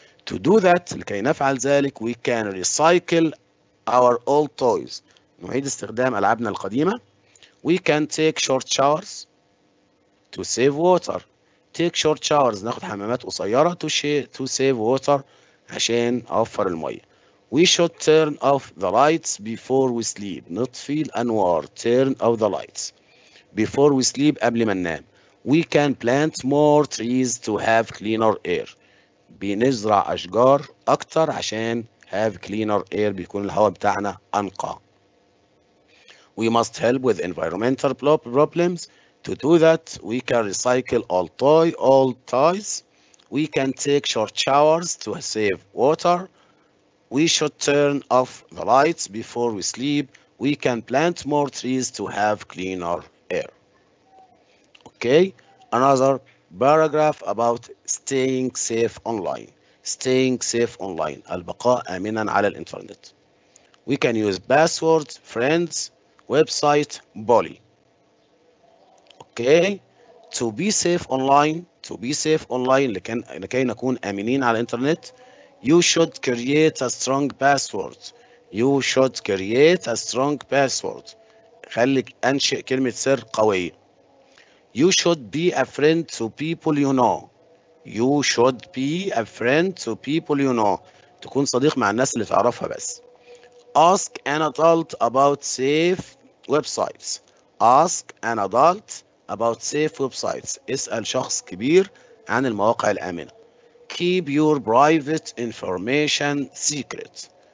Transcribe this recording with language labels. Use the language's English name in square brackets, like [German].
[English] To do that، [Arabic] لكي نفعل ذلك، [English] we can recycle our old toys. [Arabic] نعيد استخدام ألعابنا القديمة. [English] We can take short showers to save water. Take short showers، [Arabic] ناخد حمامات قصيرة [English] to save water، [Arabic] عشان أوفر المية. [English] We should turn off the lights before we sleep. [Arabic] نطفي الأنوار. [English] Turn off the lights before we sleep، [Arabic] قبل ما ننام. [English] We can plant more trees to have cleaner air. [Arabic] بنزرع أشجار أكتر عشان [English] have cleaner air، [Arabic] بيكون الهواء بتاعنا أنقى. [English] We must help with environmental problems. To do that, we can recycle old toys. We can take short showers to save water. We should turn off the lights before we sleep. We can plant more trees to have cleaner air. Okay, another paragraph about staying safe online. Staying safe online. [Arabic] البقاء آمنا على الإنترنت. [English] We can use password, friends, website, Bully. Okay, to be safe online. To be safe online. [Arabic] لكي نكون آمنين على الإنترنت. [English] You should create a strong password. You should create a strong password. [Arabic] خليك أنشئ كلمة سر قوية. [English] You should be a friend to people you know. You should be a friend to people you know. [Arabic] تكون صديق مع الناس اللي تعرفها بس. [English] Ask an adult about safe websites. Ask an adult about safe websites. [Arabic] اسأل شخص كبير عن المواقع الآمنة. [English] Keep your private information secret.